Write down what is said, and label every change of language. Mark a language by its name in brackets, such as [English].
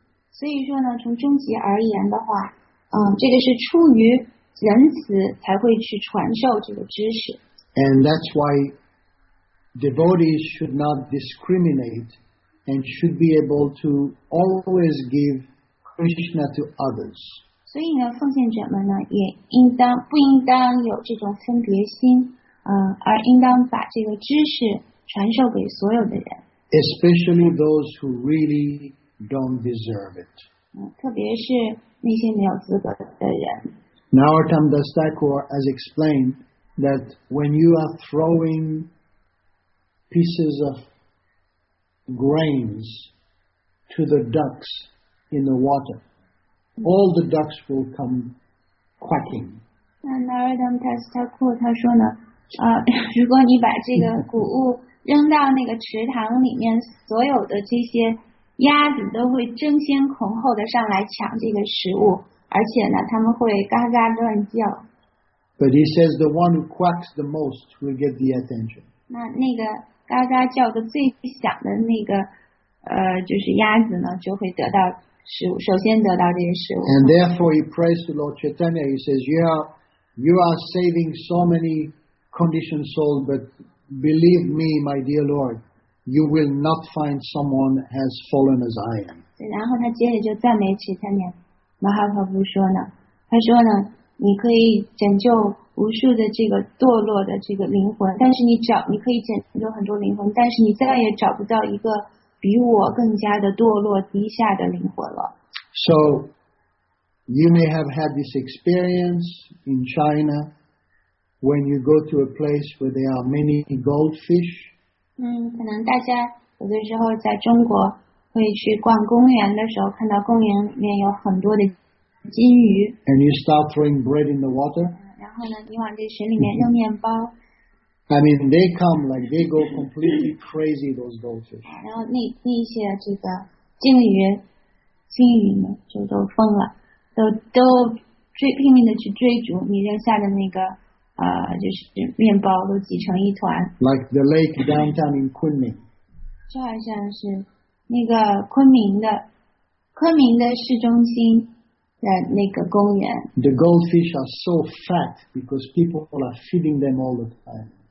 [Chinese] 所以说呢，从终极而言的话，这个是出于仁慈才会去传授这个知识。 [English] And that's why devotees should not discriminate and should be able to always give Krishna to others. [Chinese] 所以呢，奉献者们呢，也不应当有这种分别心，而应当把这个知识传授给所有的人。 [English] Especially those who really. Don't deserve it. [Chinese] 特别是那些没有资格的人。 [English] Narottam Das Thakur has explained that when you are throwing pieces of grains to the ducks in the water, all the ducks will come quacking. [Chinese] Narottam Das Thakur 他说呢，如果你把这个谷物扔到那个池塘里面，所有的这些鸭子都会争先恐后的上来抢这个食物，而且呢，他们会嘎嘎乱叫。 [English] But he says the one who quacks the most will get the attention. [Chinese] 那个嘎嘎叫的最响的那个，就是鸭子呢，就会得到食物，首先得到这些食物。 [English] And therefore he prays to Lord Chaitanya. He says, "You are saving so many conditioned souls, but believe me, my dear Lord." You will not find someone as fallen as I am. [Chinese] 然后他接着就赞美 Chaitanya Mahaprabhu 说呢，他说呢，你可以拯救无数的这个堕落的这个灵魂，但是你可以拯救很多灵魂，但是你再也找不到一个比我更加的堕落低下的灵魂了。 [English] So, you may have had this experience in China when you go to a place where there are many goldfish. [Chinese] 可能大家有的时候在中国会去逛公园的时候，看到公园里面有很多的金鱼。 [English] And you start throwing bread in the water. [Chinese] 然后呢，你往这水里面扔面包。 [English] I mean, they come like they go completely crazy. Those goldfish. [Chinese] 然后那些这个金鱼们就都疯了，都追拼命的去追逐你扔下的那个就是面包，都挤成一团。 [English] Like the lake downtown in Kunming. [Chinese] 就好像是那个昆明的市中心的那个公园。 [English] The goldfish are so fat because people are feeding them all the time.